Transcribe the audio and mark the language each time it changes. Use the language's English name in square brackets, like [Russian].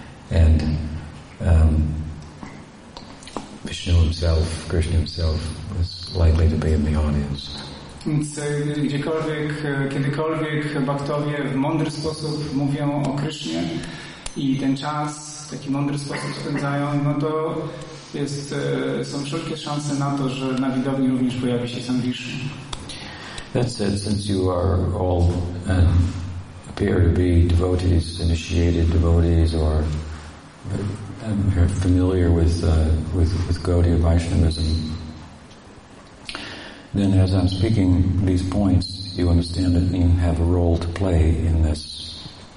[English] And Vishnu himself, Krishna himself, was likely to be in the audience. [Polish] Więc gdziekolwiek, kiedykolwiek bhaktowie w mądry sposób mówią o Krishnie i ten czas w taki mądry sposób spędzają, no to są wszelkie szanse na to, że na widowni również pojawi się sam Vishnu. [English] That said, since you are all appear to be devotees, initiated devotees, or are familiar with Gaudiya Vaishnavism, then as I'm speaking these points, you understand that you have a role to play in this.